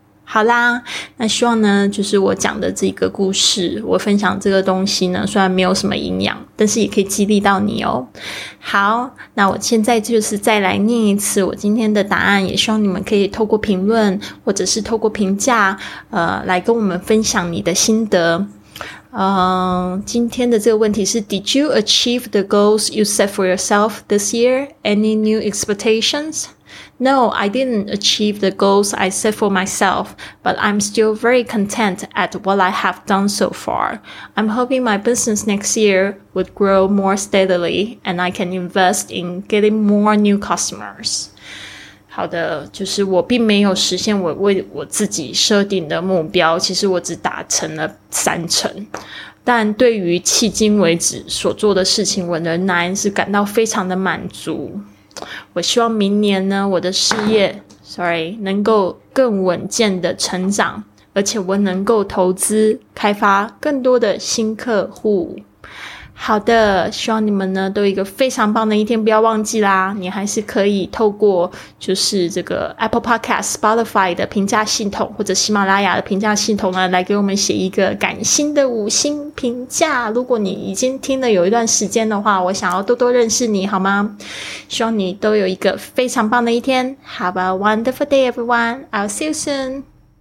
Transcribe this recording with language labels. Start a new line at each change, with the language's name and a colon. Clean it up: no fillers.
Chinese: 好啦，那希望呢，就是我讲的这个故事，我分享这个东西呢，虽然没有什么营养，但是也可以激励到你哦。好，那我现在就是再来念一次我今天的答案，也希望你们可以透过评论或者是透过评价来跟我们分享你的心得。今天的这个问题是
English: Did you achieve the goals you set for yourself this year? Any new expectations? No, I didn't achieve the goals I set for myself, but I'm still very content at what I have done so far. I'm hoping my business next year would grow more steadily and I can invest in getting more new customers.
Chinese: 好的，就是我并没有实现我为我自己设定的目标，其实我只达成了三成。但对于迄今为止所做的事情，我仍然是感到非常的满足。我希望明年呢，我的事业 能够更稳健的成长，而且我能够投资开发更多的新客户。好的，希望你们呢都有一个非常棒的一天，不要忘记啦，你还是可以透过就是这个 Apple Podcast Spotify 的评价系统或者喜马拉雅的评价系统呢，来给我们写一个感性的五星评价。如果你已经听了有一段时间的话，我想要多多认识你好吗？希望你都有一个非常棒的一天。
English: Have a wonderful day everyone. I'll see you soon.